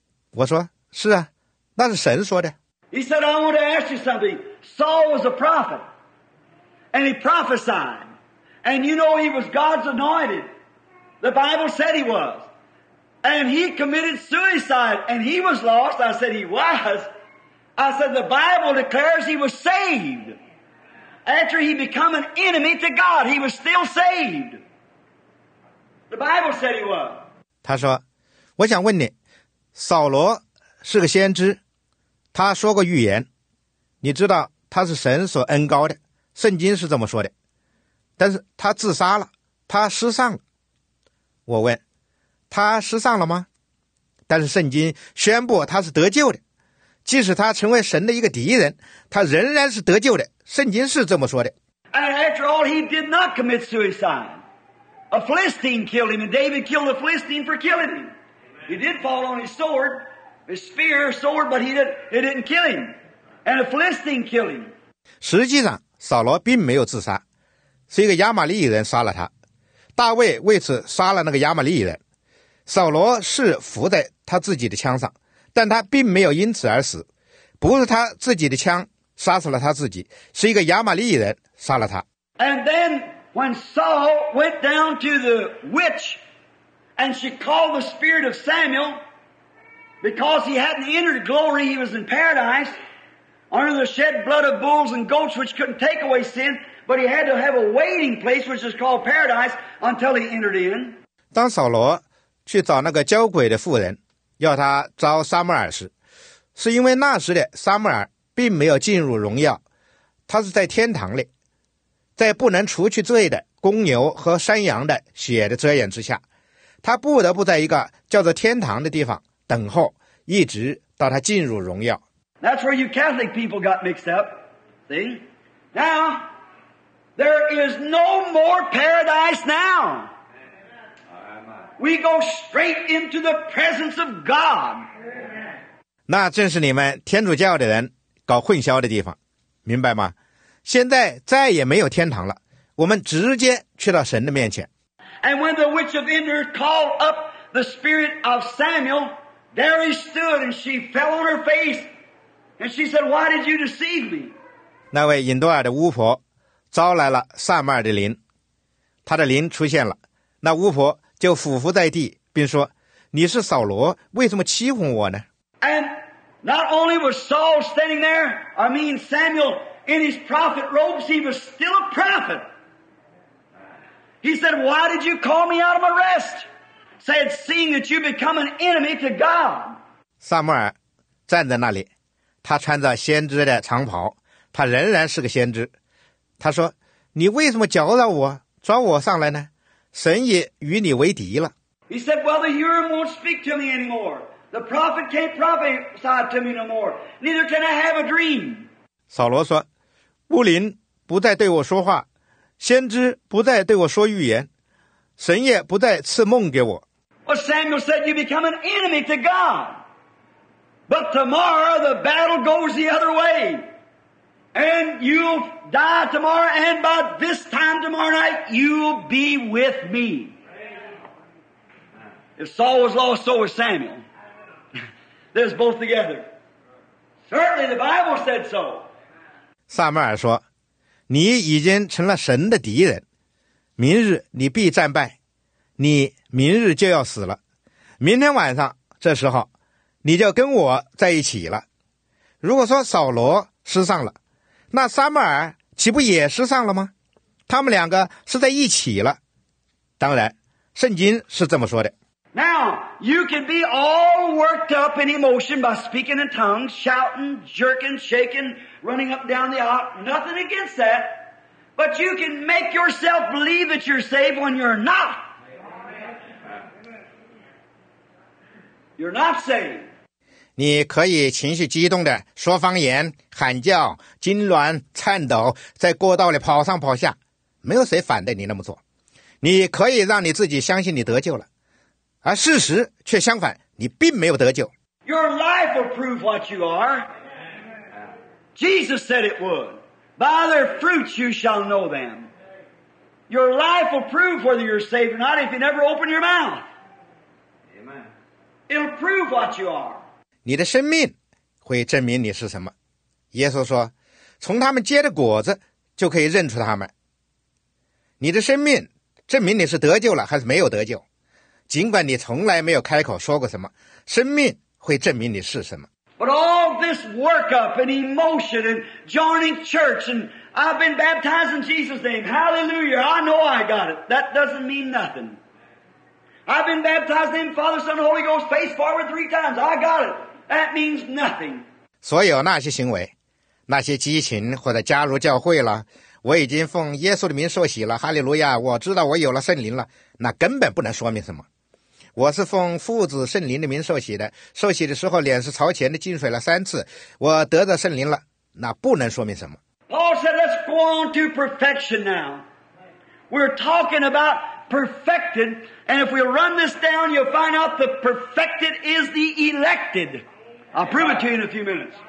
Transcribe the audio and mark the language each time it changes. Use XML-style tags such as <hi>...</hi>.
<zh>我说是啊，那是神说的。</zh> <en>He said, "I want to ask you something." Saul was a prophet, and he prophesied, And you know he was God's anointed. The Bible said he was. And he committed suicide and he was lost. I said he was. I said the Bible declares he was saved. After he became an enemy to God, he was still saved. The Bible said he was.</en> <zh>他说，我想问你，扫罗是个先知，他说过预言，你知道他是神所恩膏的，圣经是这么说的，但是他自杀了，他失丧了。我问，他失丧了吗？但是圣经宣布他是得救的，即使他成为神的一个敌人，他仍然是得救的，圣经是这么说的。</zh> <en>And after all, he did not commit suicide. A Philistine killed him, and David killed a Philistine for killing him. He did fall on his sword, his spear, sword, but it didn't kill him. And a Philistine killed him.</en> <zh>实际上，扫罗并没有自杀，是一个亚玛利人杀了他。大卫为此杀了那个亚玛利人。扫罗是伏在他自己的枪上，但他并没有因此而死，不是他自己的枪杀死了他自己，是一个亚玛利人杀了他。</zh> <en>And then when Saul went down to the witch, and she called the spirit of Samuel, because he hadn't entered glory, he was in paradise, under the shed blood of bulls and goats, which couldn't take away sin, but he had to have a waiting place, which is called paradise, until he entered in.</en> <zh>当扫罗去找那个交鬼的妇人，要他招撒母耳时，是因为那时的撒母耳并没有进入荣耀，他是在天堂里，在不能除去罪的公牛和山羊的血的遮掩之下，他不得不在一个叫做天堂的地方等候，一直到他进入荣耀。</zh> <en>That's where you Catholic people got mixed up. See? Now, there is no more paradise now. We go straight into the presence of God.</en> <zh>那正是你们天主教的人搞混淆的地方，明白吗？现在再也没有天堂了，我们直接去到神的面前。</zh> <en>And when the witch of Endor called up the spirit of Samuel, there he stood, and she fell on her face, and she said, "Why did you deceive me?"</en> <zh>那位引多尔的巫婆招来了撒母耳的灵，她的灵出现了，那巫婆。就俯伏在地，并说：“你是扫罗，为什么欺哄我呢？”</zh> <en>And not only was Saul standing there, I mean Samuel, in his prophet robes, he was still a prophet. He said, "Why did you call me out of my rest?" Said, "Seeing that you become an enemy to God."</en> <zh>撒母耳站在那里，他穿着先知的长袍，他仍然是个先知。他说：“你为什么搅扰我，抓我上来呢？” 神也与你为敌了。</zh> <en>He said, "Well, the Urim won't speak to me anymore. The prophet can't prophesy to me no more. Neither can I have a dream."</en> <zh>扫罗说，巫灵不再对我说话，先知不再对我说预言，神也不再赐梦给我。</zh> <en>Well, Samuel said, "You become an enemy to God. But tomorrow the battle goes the other way. And you'll die tomorrow, and by this time tomorrow night, you'll be with me." If Saul was lost, so was Samuel. They're both together. Certainly the Bible said so.</en> <zh>撒母耳说，你已经成了神的敌人，明日你必战败，你明日就要死了，明天晚上这时候你就跟我在一起了。如果说扫罗失丧了，那撒母耳岂不也失丧了吗？他们两个是在一起了。当然，圣经是这么说的。</zh> <en>Now you can be all worked up in emotion by speaking in tongues, shouting, jerking, shaking, running up down the aisle. Nothing against that, but you can make yourself believe that you're saved when you're not. You're not saved.</en> <zh>你可以情绪激动地说方言、喊叫、痉挛、颤抖，在过道里跑上跑下，没有谁反对你那么做。你可以让你自己相信你得救了，而事实却相反，你并没有得救。</zh> <en>Your life will prove what you are. Jesus said it would. By their fruits you shall know them. Your life will prove whether you're saved or not if you never open your mouth. Amen. It'll prove what you are.</en> <zh>你的生命会证明你是什么。耶稣说，从他们结的果子就可以认出他们。你的生命证明你是得救了还是没有得救。尽管你从来没有开口说过什么，生命会证明你是什么。</zh> <en>But all this workup and emotion and joining church and I've been baptized in Jesus' name, hallelujah, I know I got it. That doesn't mean nothing. I've been baptized in Father, Son, Holy Ghost, face forward three times, I got it. That means nothing.</en> <zh>所有那些行为，那些激情或者加入教会了，我已经奉耶稣的名受洗了，哈利路亚，我知道我有了圣灵了，那根本不能说明什么。我是奉父子圣灵的名受洗的，受洗的时候脸是朝前的，浸水了三次，我得着圣灵了，那不能说明什么。</zh> <en>Paul said let's go on to perfection now. We're talking about perfected, and if we run this down you'll find out the perfected is the elected. I'll prove it to you in a few minutes.</en>